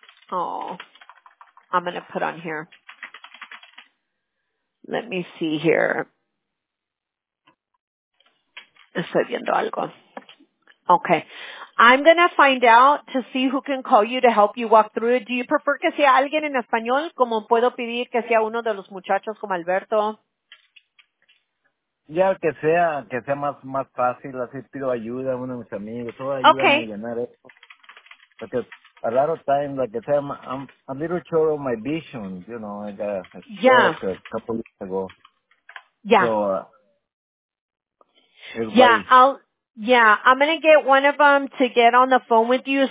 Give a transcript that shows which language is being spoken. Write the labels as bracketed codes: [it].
[en] Oh, I'm going to put on here. Let me see here. [es] Estoy viendo algo. [en] Okay. I'm going to find out to see who can call you to help you walk through it. Do you prefer [es] que sea alguien en español? ¿Como puedo pedir que sea uno de los muchachos como Alberto? Ya, que sea más fácil. Así pido ayuda a uno de mis amigos. Todo ayuda okay. A llenar esto. Porque [en] a lot of times, like I said, I'm a little short of my vision. You know, I got a couple years ago. Yeah. So, I'm going to get one of them to get on the phone with you.